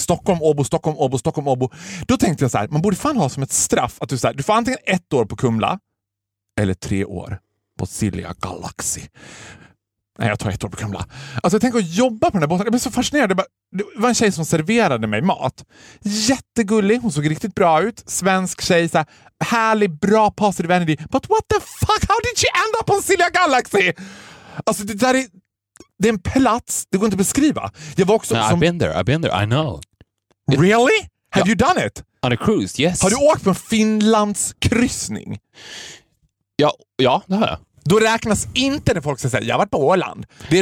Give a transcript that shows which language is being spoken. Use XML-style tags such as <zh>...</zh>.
<sv>Stockholm, Åbo, Stockholm, Åbo, Stockholm, Åbo. Då tänkte jag så här, man borde fan ha som ett straff att du så här, du får antingen ett år på Kumla eller tre år på Silja Galaxy. Nej, jag tar ett år på Kumla. Alltså jag tänker att jobba på den där båten. Jag blev så fascinerad. Det var en tjej som serverade mig mat. Jättegullig. Hon såg riktigt bra ut. Svensk tjej. Så här, härlig, bra passer i Vanity.</sv> <en>But what the fuck? How did she end up on Silja Galaxy?</en> <sv>Alltså det där är... Det är en plats. Det går inte att beskriva. Jag var också...</sv> <en>No, I've been there. I know. Really? Have you done it? On a cruise, yes.</en> <sv>Har du åkt på en Finlands kryssning? Ja, det har jag. Då räknas inte när folk säger jag har varit på Åland. Det</sv>